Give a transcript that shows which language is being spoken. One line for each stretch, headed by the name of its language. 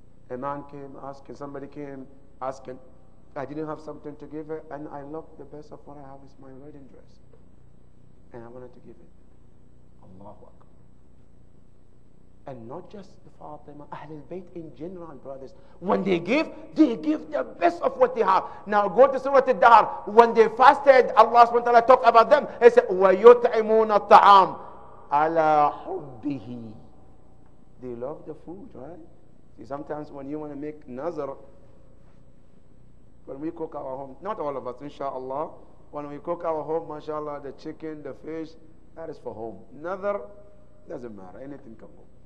English: A man came asking, somebody came asking, I didn't have something to give her, and I looked, the best of what I have is my wedding dress. And I wanted to give it. Allahu Akbar. And not just the Fatima, Ahlul Bayt in general, brothers. When they give the best of what they have. Now go to Surah Al-Dahr. When they fasted, Allah subhanahu wa ta'ala talked about them. He said,
Arabic: وَيُطْعِمُونَ الطَّعَامَ عَلَىٰ حُبِّهِ.
English: They love the food, right? Sometimes when you want to make nazar, when we cook our home, not all of us, inshallah, when we cook our home, mashallah, the chicken, the fish, that is for home. Nazar, doesn't matter, anything can go.